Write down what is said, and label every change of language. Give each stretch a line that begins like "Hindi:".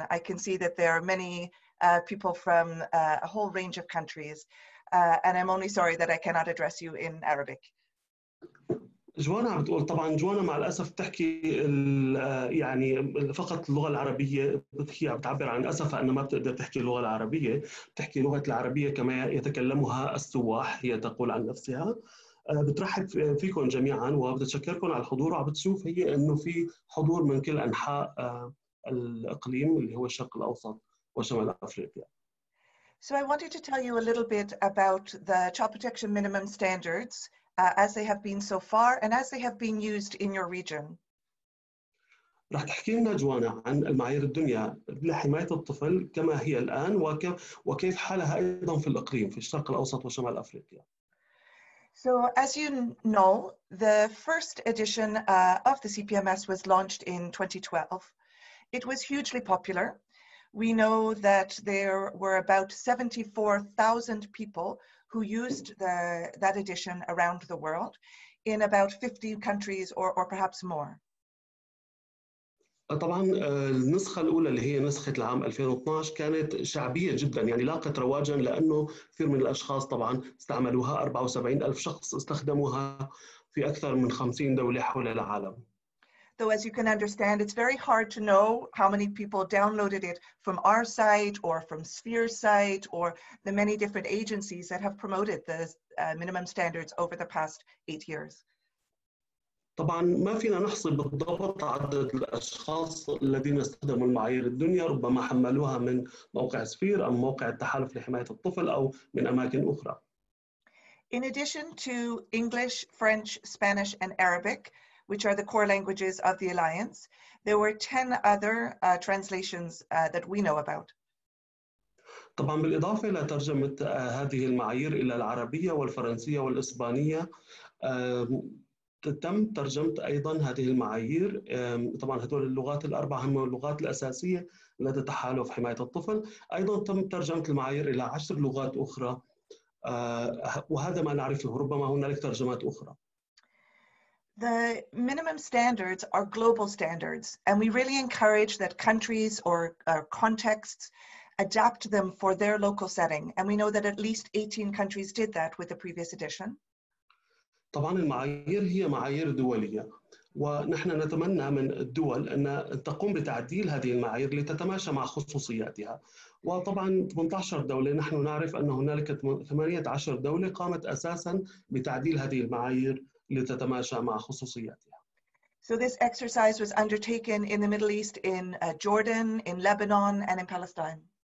English: I can see that there are many people from a whole range of countries, and I'm only sorry that I cannot address you in Arabic.
Arabic: جوانا عم تقول طبعا جوانا مع الأسف تحكي يعني فقط اللغة العربية، هي عم تعبر عن أسف أن ما بتقدر تحكي اللغة العربية، تحكي لغة العربية كما يتكلمها السواح، هي تقول عن نفسها. بترحب فيكم جميعا وبتشكركم على الحضور. عم بتشوف هي أنه في حضور من كل أنحاء الإقليم اللي هو الشرق الأوسط وشمال أفريقيا.
English: So I wanted to tell you a little bit about the child protection minimum standards as they have been so far and as they have been used in your region.
Arabic: راح تحكي لنا جوانا عن المعايير الدنيا لحماية الطفل كما هي الآن وكيف حالها أيضا في الإقليم في الشرق الأوسط وشمال أفريقيا.
English: So as you know, the first edition of the CPMS was launched in 2012. It was hugely popular. We know that there were about 74,000 people who used that edition around the world in about 50 countries or perhaps more.
Arabic: طبعا النسخة الأولى اللي هي نسخة العام 2012 كانت شعبية جدا، يعني لاقت رواجا لأنه كثير من الأشخاص طبعا استعملوها. 74,000 شخص استخدموها في أكثر من 50 دولة حول العالم.
English: Though as you can understand, it's very hard to know how many people downloaded it from our site or from Sphere's site or the many different agencies that have promoted the minimum standards over the past 8 years.
Arabic: طبعا ما فينا نحصل بالضبط عدد الأشخاص الذين استخدموا المعايير الدنيا، ربما حملوها من موقع سفير أو موقع التحالف لحماية الطفل أو من أماكن أخرى.
English: In addition to English, French, Spanish and Arabic, which are the core languages of the Alliance, there were 10 other translations that we know about.
Arabic: طبعا بالإضافة إلى ترجمة هذه المعايير إلى العربية والفرنسية والإسبانية، تم ترجمة أيضا هذه المعايير. طبعا هذول اللغات الأربعة هم اللغات الأساسية لدى تحالف حماية الطفل. أيضا تم ترجمة المعايير إلى 10 لغات أخرى، وهذا ما نعرفه، ربما هناك ترجمات أخرى.
English: The minimum standards are global standards, and we really encourage that countries or contexts adapt them for their local setting. And we know that at least 18 countries did that with the previous edition.
Arabic: طبعا المعايير هي معايير دولية، ونحن نتمنى من الدول أن تقوم بتعديل هذه المعايير لتتماشى مع خصوصياتها. وطبعا 18 دولة، نحن نعرف أن هنالك 18 دولة قامت أساسا بتعديل هذه المعايير لتتماشى مع خصوصياتها.
English: So this exercise was undertaken in the Middle East, in Jordan, in Lebanon, and in Palestine.